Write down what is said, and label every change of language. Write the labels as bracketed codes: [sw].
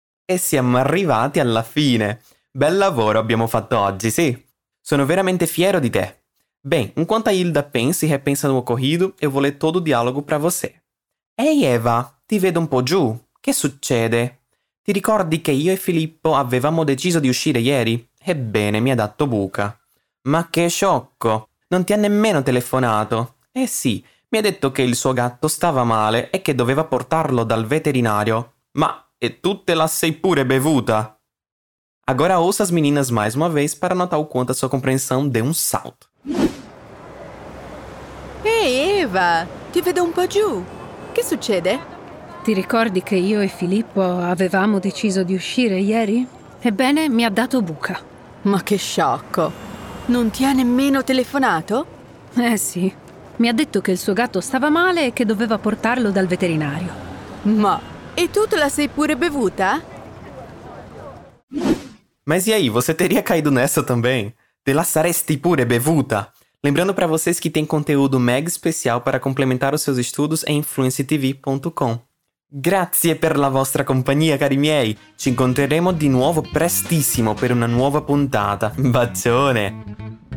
[it] E siamo arrivati alla fine. Bel lavoro abbiamo fatto oggi, sì. Sono veramente fiero di te. [pt] Bem, enquanto a Hilda pensa e repensa no ocorrido, eu vou ler todo o diálogo para você. [it] Ei, Eva, ti vedo um po' giù. Che succede? Ti ricordi che io e Filippo avevamo deciso di uscire ieri? Ebbene, mi ha dato buca. Ma che sciocco! Non ti ha nemmeno telefonato. Eh sì, mi ha detto che il suo gatto stava male e che doveva portarlo dal veterinario. Ma, e tu te la sei pure bevuta? [pt] Agora ouça as meninas mais uma vez para notar o quanto a sua compreensão deu um salto. [it] Ehi, Eva, ti vedo un po' giù. Che succede? Ti ricordi che io e Filippo avevamo deciso di uscire ieri? Ebbene, mi ha dato buca. Ma che sciocco! Non ti ha nemmeno telefonato? Eh sì. Mi ha detto che il suo gatto stava male e che doveva portarlo dal veterinario. Ma, e tu te la sei pure bevuta? [pt] Mas e aí, você teria caído nessa também? [it] Te la saresti pure bevuta? [pt] Lembrando para vocês que tem conteúdo mega especial para complementar os seus estudos em fluencytv.com. [it] Grazie per la vostra compagnia, cari miei! Ci incontreremo di nuovo prestissimo per una nuova puntata. Bacione!